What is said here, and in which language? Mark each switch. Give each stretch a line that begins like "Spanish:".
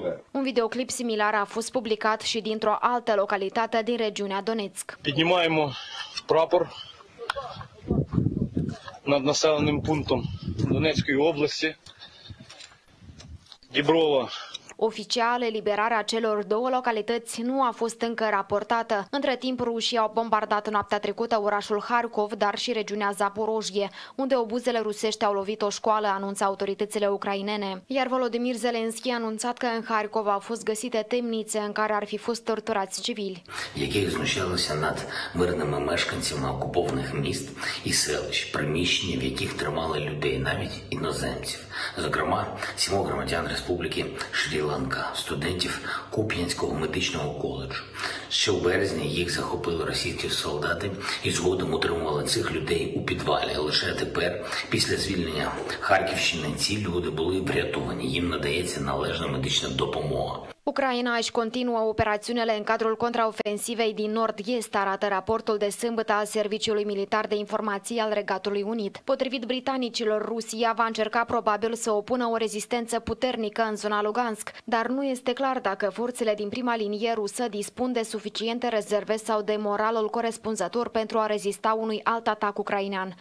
Romanian: Un videoclip similar a fost publicat și dintr-o altă localitate din regiunea Donetsk.
Ukrainian: Піднімаємо прапор над населеним пунктом Донецької області Діброва.
Romanian: Oficial, eliberarea celor două localități nu a fost încă raportată. Între timp, rușii au bombardat noaptea trecută orașul Kharkov, dar și regiunea Zaporojie, unde obuzele rusești au lovit o școală, anunță autoritățile ucrainene. Iar Volodymyr Zelensky a anunțat că în Kharkov au fost găsite temnițe în care ar fi fost torturați civili.
Ukrainian: Які знущалися над мирними мешканцями окупованих міст і селищ, приміщення, в яких тримали людей, навіть іноземців. Зокрема, 7 громадян республіки Шрі Ланка, студентів Куп'янського медичного коледжу. Ще у березні їх захопили російські солдати і згодом утримували цих людей у підвалі. Лише тепер, після звільнення Харківщини, ці люди були врятовані. Їм надається належна медична допомога.
Romanian: Ucraina își continuă operațiunile în cadrul contraofensivei din nord-est, arată raportul de sâmbătă al Serviciului Militar de Informații al Regatului Unit. Potrivit britanicilor, Rusia va încerca probabil să opună o rezistență puternică în zona Lugansk, dar nu este clar dacă forțele din prima linie rusă dispun de suficiente rezerve sau de moralul corespunzător pentru a rezista unui alt atac ucrainean.